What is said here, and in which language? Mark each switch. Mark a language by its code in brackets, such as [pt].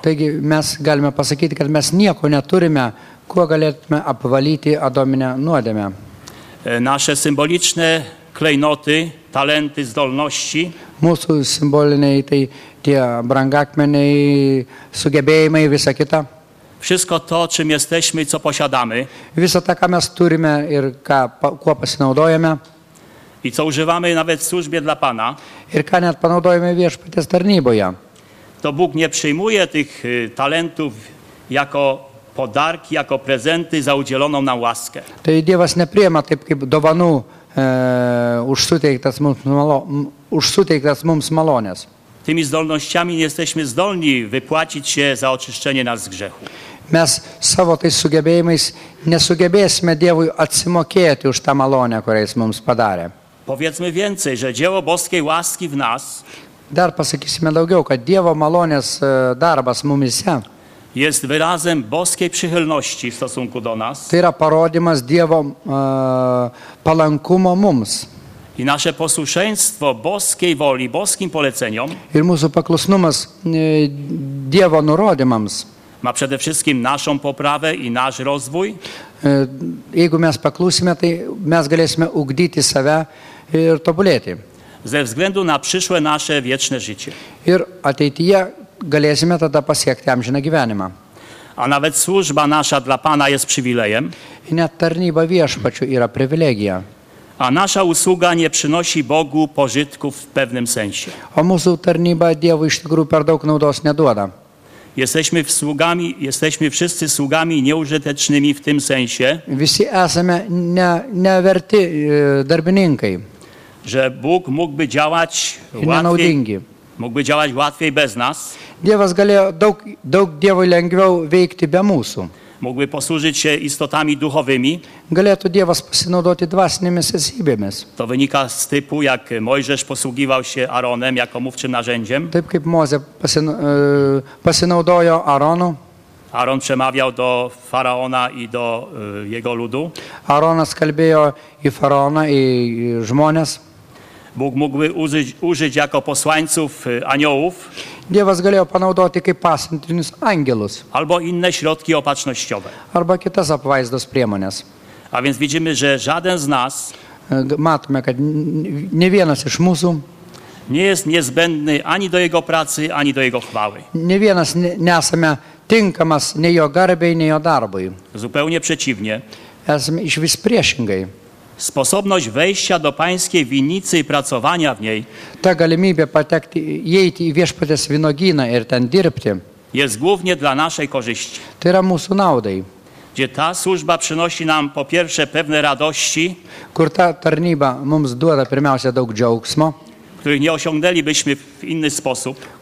[lt] Taigi mes galime pasakyti, kad mes nieko neturime, kuo galėtume apvalyti Adominę nuodėmę. [pl] Nasze symboliczne klejnoty, talenty, zdolności. [lt] Mūsų symboliniai tai tie brangakmeniai, sugebėjimai, visa kita. [pl] Wszystko to, czym jesteśmy i co posiadamy. [lt] Visa ta, ką mes turime ir kuo pasinaudojame. [pl] I co używamy nawet w służbie dla Pana. [lt] Ir ką net panaudojame viešpaties tarnyboje. [pl] To Bóg nie przyjmuje tych talentów jako podarki, jako prezenty za udzieloną nam łaskę. [lt] Tai Dievas nepriema taip kaip dovanų už suteiktas mums malonės. [pl] Tymi zdolnościami nie jesteśmy zdolni wypłacić się za oczyszczenie nas z grzechu. [lt] Mes savo tais sugebėjimais nesugebėsime Dievui atsimokėti už tą malonę, kurią jis mums padarė. [pl] Powiedzmy więcej, że dzieło boskiej łaski w nas. [lt] Dar pasakysime daugiau, kad Dievo malonės darbas mumyse. [pl] Jest wyrazem boskiej przychylności w stosunku do nas. [lt] Tai yra parodymas Dievo palankumo mums. [pl] I nasze posłuszeństwo boskiej woli, boskim poleceniom. [lt] Ir mūsų paklusnumas Dievo nurodymams. [pl] Ma przede wszystkim naszą poprawę i nasz rozwój. [lt] Jeigu mes paklusime, tai mes galėsime ugdyti save ir tobulėti. [pl] Ze względu na przyszłe nasze wieczne życie. [lt] Ir ateityje galėsime tada pasiekti amžiną gyvenimą. [pl] A nawet służba nasza dla Pana jest przywilejem. [lt] I net tarnyba viešpačiu yra privilegija. [pl] A nasza usługa nie przynosi Bogu pożytku w pewnym sensie. [lt] O mūsų tarnyba Dievui iš tikrųjų per daug naudos neduoda. [pl] Jesteśmy wszyscy sługami nieużytecznymi w tym sensie. [lt] Visi esame neverti darbininkai. [pl] Że Bóg mógłby działać łatwiej. Mógłby działać łatwiej bez nas. [lt] Dievas galėjo daug Dievui lengviau veikti be mūsų. [pl] Mógłby posłużyć się istotami duchowymi. [lt] Galėtų Dievas pasinaudoti dvasinėmis esybėmis. [pl] To wynika z typu, jak Mojżesz posługiwał się Aaronem jako mówczym narzędziem. [lt] Taip kaip Mozė pasinaudojo Aaronu. [pl] Aaron przemawiał do Faraona i do jego ludu. [lt] Aaronas kalbėjo i Faraona i žmonės. [pl] Bóg mógłby użyć jako posłańców aniołów. [lt] Dievas galėjo panaudoti kaip pasiuntinius angelus. [pl] Albo inne środki opatrznościowe. [lt] Arba kitas apvaizdos priemonės. [pl] A więc widzimy, że żaden z nas [lt] matome, kad ne vienas iš mūsų [pl] nie jest niezbędny ani do jego pracy, ani do jego chwały. [lt] Ne vienas nesame tinkamas nei jo garbei, nei jo darbui. [pl] Zupełnie przeciwnie. [lt] Esame išvis priešingai. [pl] Sposobność wejścia do pańskiej winnicy i pracowania w niej. [lt] Ta galimybė patekti, įeiti į viešpaties vynogyną ir ten dirbti. [pl] Jest głównie dla naszej korzyści. [lt] Tai yra mūsų naudai. [pl] Gdzie ta służba przynosi nam po pierwsze pewne radości. [lt] Kur ta tarnyba mums duoda pirmiausia daug džiaugsmo. [pl] Których nie osiągnęlibyśmy w inny sposób.